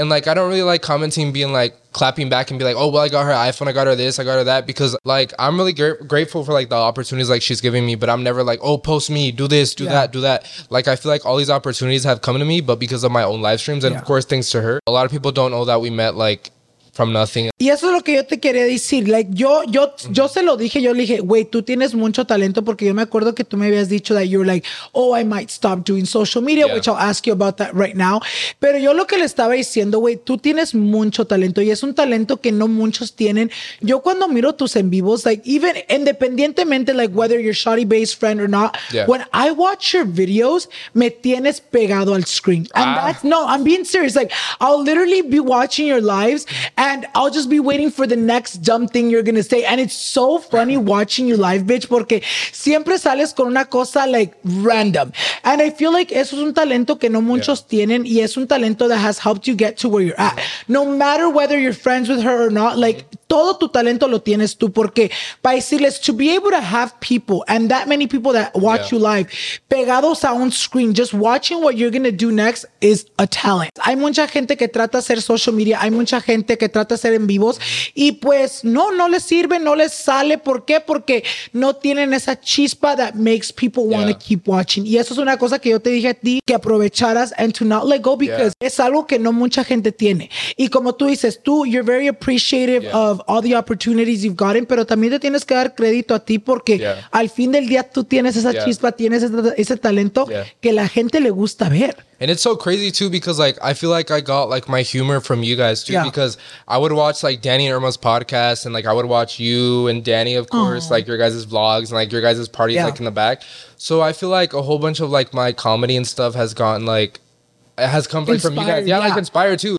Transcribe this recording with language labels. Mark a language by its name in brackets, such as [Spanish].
[English] And like, I don't really like commenting, being like, clapping back and be like, oh, well, I got her iPhone, I got her this, I got her that, because like I'm really grateful for like the opportunities like she's giving me, but I'm never like, oh, post me, do this, do that, do that. Like I feel like all these opportunities have come to me, but because of my own live streams and of course thanks to her. A lot of people don't know that we met like from nothing. [Spanish] Y eso es lo que yo te quería decir. Like, yo se lo dije, yo le dije, güey, tú tienes mucho talento, porque yo me acuerdo que tú me habías dicho [English] that you were like, oh, I might stop doing social media, which I'll ask you about that right now. [Spanish] Pero yo lo que le estaba diciendo, güey, tú tienes mucho talento y es un talento que no muchos tienen. Yo cuando miro tus en vivos, [English] like, even independientemente, like, whether you're Shawty Bae's friend or not, when I watch your videos, [Spanish] me tienes pegado al screen. [English] And that's, no, I'm being serious. Like, I'll literally be watching your lives and I'll just be waiting for the next dumb thing you're gonna say. And it's so funny watching you live, bitch, [Spanish] porque siempre sales con una cosa [English] like random. And I feel like [Spanish] eso es un talento [English] que no muchos tienen y es un talento that has helped you get to where you're at. No matter whether you're friends with her or not, like [Spanish] todo tu talento lo tienes tú, porque para decirles, [English] to be able to have people and that many people that watch you live [Spanish] pegados a un screen, [English] just watching what you're gonna do next is a talent. [Spanish] Hay mucha gente que trata hacer social media, hay mucha gente que trata hacer en vivos y pues no les sirve, no les sale. ¿Por qué? Porque no tienen esa chispa [English] that makes people want to keep watching. [Spanish] Y eso es una cosa que yo te dije a ti que aprovecharas [English] and to not let go, [Spanish] because es algo que no mucha gente tiene. Y como tú dices, tú, [English] you're very appreciative of all the opportunities you've gotten, [Spanish] pero también te tienes que dar crédito a ti porque al fin del día tú tienes esa chispa, tienes ese talento que la gente le gusta ver. [English] And it's so crazy too, because like I feel like I got like my humor from you guys too, because I would watch like Danny and Irma's podcast, and like I would watch you and Danny, of course, like your guys' vlogs and like your guys' parties like in the back. So I feel like a whole bunch of like my comedy and stuff has gotten like, it has come like, from you guys. Yeah, like inspired too.